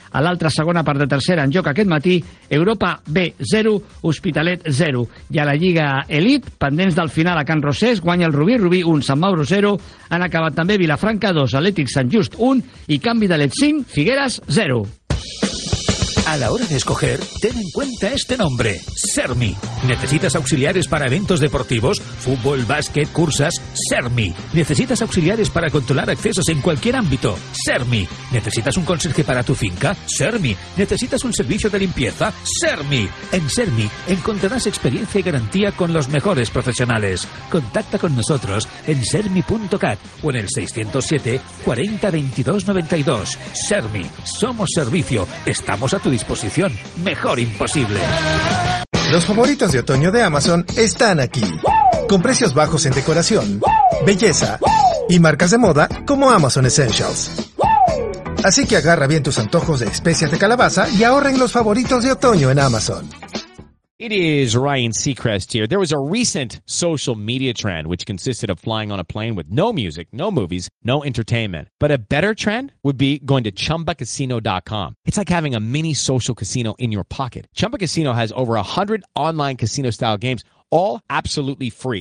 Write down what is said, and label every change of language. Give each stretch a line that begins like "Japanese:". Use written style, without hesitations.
Catalan: A l'altra segona part de tercera en joc aquest matí, Europa B 0, Hospitalet 0. I a la Lliga Elite, pendents del final a Can Rosés, guanya el Rubí, Rubí 1, Sant Mauro 0. Han acabat també Vilafranca 2, Atlètic Sant Just 1 i Canvi de Let 5, Figueres 0.
Spanish: A la hora de escoger, ten en cuenta este nombre, Sermi. ¿Necesitas auxiliares para eventos deportivos, fútbol, básquet, cursas? Sermi. ¿Necesitas auxiliares para controlar accesos en cualquier ámbito? Sermi. ¿Necesitas un conserje para tu finca? Sermi. ¿Necesitas un servicio de limpieza? Sermi. En Sermi encontrarás experiencia y garantía con los mejores profesionales. Contacta con nosotros en sermi.cat o en el 607 40 22 92. Sermi. Somos servicio. Estamos a tu disposición. Mejor imposible. Los favoritos de otoño de Amazon están aquí. Con precios bajos en decoración, belleza y marcas de moda como Amazon Essentials. Así que agarra bien tus antojos de especias de calabaza y ahorra en los favoritos de otoño en Amazon.
English: It is Ryan Seacrest here. There was a recent social media trend which consisted of flying on a plane with no music, no movies, no entertainment. But a better trend would be going to ChumbaCasino.com. It's like having a mini social casino in your pocket. Chumba Casino has over 100 online casino-style games, all absolutely free.